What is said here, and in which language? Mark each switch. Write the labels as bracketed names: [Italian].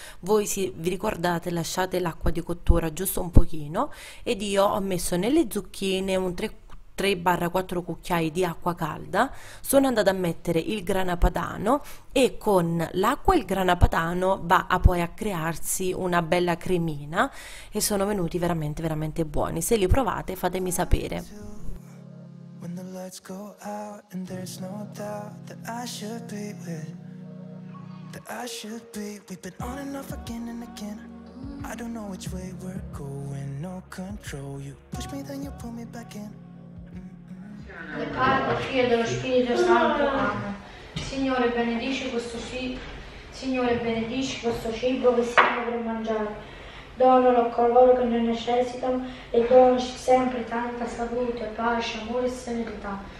[Italian] Voi se vi ricordate, lasciate l'acqua di cottura giusto un pochino ed io ho messo nelle zucchine un 3-4 cucchiai di acqua calda. Sono andata a mettere il grana padano e con l'acqua e il grana padano va a poi a crearsi una bella cremina e sono venuti veramente veramente buoni. Se li provate, fatemi sapere. [English] When the lights go out and there's no doubt that I should be with, that I should be. We've been on and off again and again. I don't know which way we're going, no control. You push me, then you pull me back in. [Italian] Del Padre, Figlio e dello Spirito Santo. Amen. Signore, benedici questo cibo. Signore, benedici questo cibo che stiamo per mangiare. Donalo a coloro che ne necessitano e donaci sempre tanta salute, pace, amore e serenità.